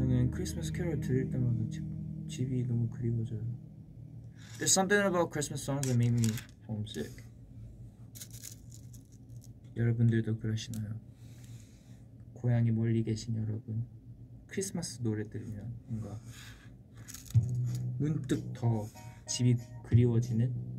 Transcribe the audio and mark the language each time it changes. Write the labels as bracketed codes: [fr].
[ko] 크리스마스 캐롤 들을 때마다 집이 너무 그리워져요. [en] There's something about Christmas songs that made me homesick. [ko] 여러분들도 그러시나요? 고향이 멀리 계신 여러분, 크리스마스 노래 들으면 뭔가 문득 더 집이 그리워지는?